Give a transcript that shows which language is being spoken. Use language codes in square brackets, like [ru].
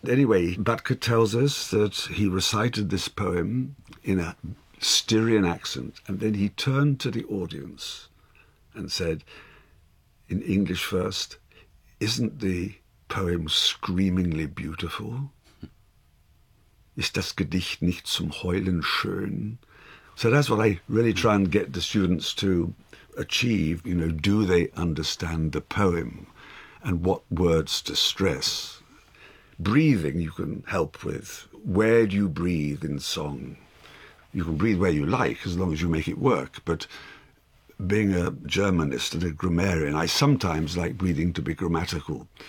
[en] Anyway, Batke tells us that he recited this poem in a Styrian accent, and then he turned to the audience and said, in English first, "Isn't the poem screamingly beautiful? [de] Ist das Gedicht nicht zum Heulen schön?" [en] So that's what I really try and get the students to achieve, you know, do they understand the poem and what words to stress? Breathing you can help with. Where do you breathe in song? You can breathe where you like as long as you make it work, but being a Germanist and a grammarian, I sometimes like breathing to be grammatical.